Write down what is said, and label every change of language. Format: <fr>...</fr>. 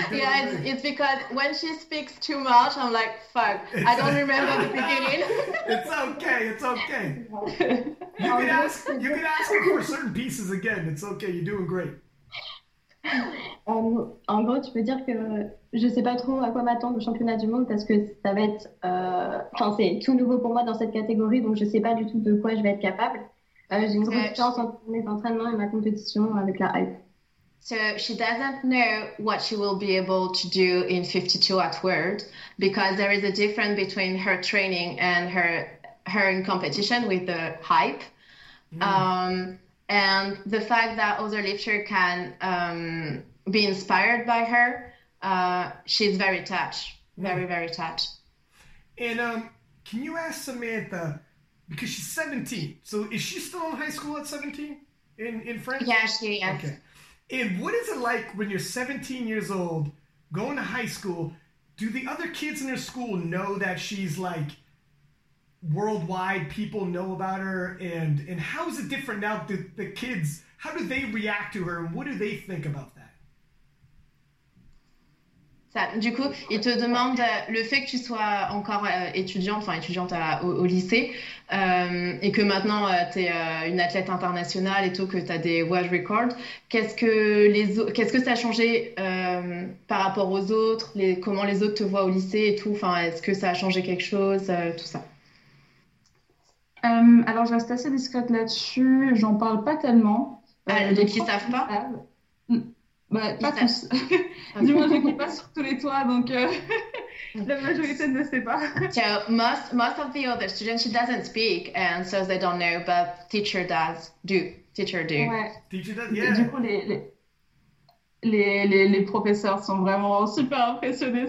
<en>Yeah, it's because when she speaks too much, I'm like, fuck. I don't remember the beginning. It's okay. You can ask her for certain pieces again. It's okay. You're doing great.</en> <fr>En gros, tu peux dire que je sais pas trop à quoi m'attendre au championnat du monde, parce que ça va être, c'est tout nouveau pour moi dans cette catégorie, donc je sais pas du tout de quoi je vais être capable. J'ai une grosse chance entre mes entraînements et ma compétition avec la hype.</fr> <en>So she doesn't know what she will be able to do in 52 at World, because there is a difference between her training and her in competition with the hype. And the fact that other lifters can be inspired by her, she's very touched, very, very touched. And can you ask Samantha, because she's 17, so is she still in high school at 17 in France? Yeah, she is. Yes. Okay. And what is it like when you're 17 years old, going to high school? Do the other kids in her school know that she's like, worldwide people know about her, and how is it different now? The kids, how do they react to her, and what do they think about that?</en> <fr>Ça, du coup, il te demande le fait que tu sois encore étudiante au lycée, et que maintenant t'es une athlète internationale et tout, que t'as des world records. Qu'est-ce que ça a changé par rapport aux autres? Comment les autres te voient au lycée et tout? Enfin, est-ce que ça a changé quelque chose? Tout ça. Alors, je reste assez discrète là-dessus. J'en parle pas tellement. Les qui savent pas. Pas tous. Okay. Du moins, je ne suis pas sur tous les toits, donc la majorité ne sait pas.</fr> <en>So most of the other students, she doesn't speak, and so they don't know, but teacher does. Teacher do. Ouais. Teacher does. Yeah.</en> <fr>Du coup, les professeurs sont vraiment super impressionnés.</fr>